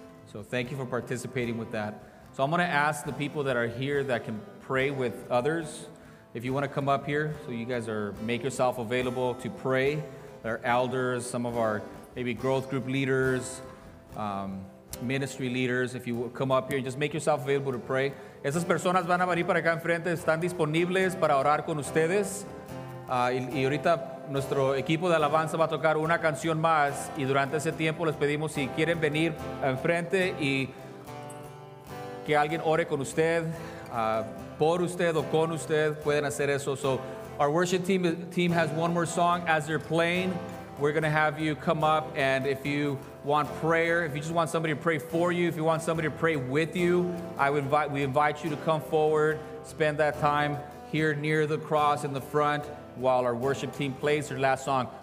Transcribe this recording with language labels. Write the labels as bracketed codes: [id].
[en] So thank you for participating with that. So I'm going to ask the people that are here that can pray with others, if you want to come up here, so you guys are make yourself available to pray. Our elders, some of our maybe growth group leaders, ministry leaders, if you will come up here, just make yourself available to pray. [es] Esas personas van a venir para acá enfrente, están disponibles para orar con ustedes. Y ahorita Nuestro equipo de alabanza va a tocar una canción más y durante ese tiempo les pedimos si quieren venir enfrente y que alguien ore con usted, por usted o con usted, pueden hacer eso. [en] So our worship team has one more song as they're playing. We're going to have you come up, and if you want prayer, if you just want somebody to pray for you, if you want somebody to pray with you, we invite you to come forward, spend that time here near the cross in the front while our worship team plays their last song.